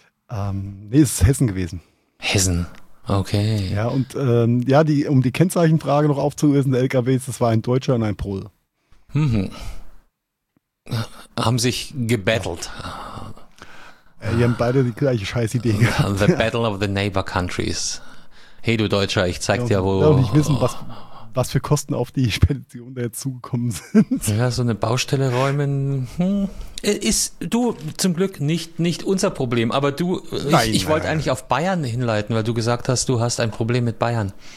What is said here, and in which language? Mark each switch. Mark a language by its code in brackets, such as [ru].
[de] Nee, es ist Hessen gewesen. Hessen, okay. Ja, und um die Kennzeichenfrage noch aufzulösen, der LKWs, das war ein Deutscher und ein Pole. Mhm. Haben sich gebattelt. Die haben beide die gleiche Scheißidee gehabt. [en] The Battle of the Neighbor Countries. [de] Hey du Deutscher, ich zeig dir, wo... Ich will auch nicht wissen, was für Kosten auf die Spedition da jetzt zugekommen sind. Ja, so eine Baustelle räumen. Ist du zum Glück nicht unser Problem. Aber du, ich wollte eigentlich auf Bayern hinleiten, weil du gesagt hast, du hast ein Problem mit Bayern.